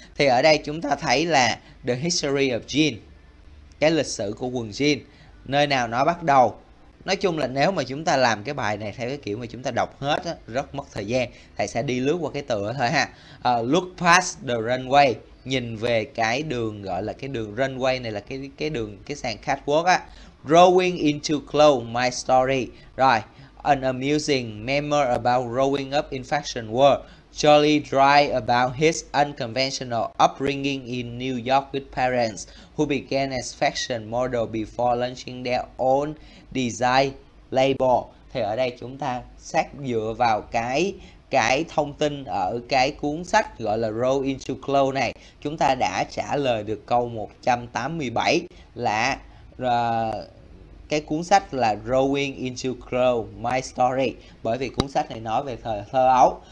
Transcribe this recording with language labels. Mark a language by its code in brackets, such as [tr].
[vi] Thì ở đây chúng ta thấy là The History of Jean, cái lịch sử của quần jean, nơi nào nó bắt đầu. Nói chung là nếu mà chúng ta làm cái bài này theo cái kiểu mà chúng ta đọc hết á, rất mất thời gian, thầy sẽ đi lướt qua cái tựa thôi ha. [en] Look past the runway, [vi] nhìn về cái đường gọi là cái đường runway này, là cái đường cái sàn catwalk á. [en] Growing into clothes, my story. Rồi, an amusing memoir about growing up in fashion world. Charlie Dry about his unconventional upbringing in New York with parents who began as fashion model before launching their own design label. [vi] Thì ở đây chúng ta xét dựa vào cái thông tin ở cái cuốn sách gọi là Road into Glow này, chúng ta đã trả lời được câu 187 là cái cuốn sách là Growing into Clothes, My Story, bởi vì cuốn sách này nói về thời thơ ấu.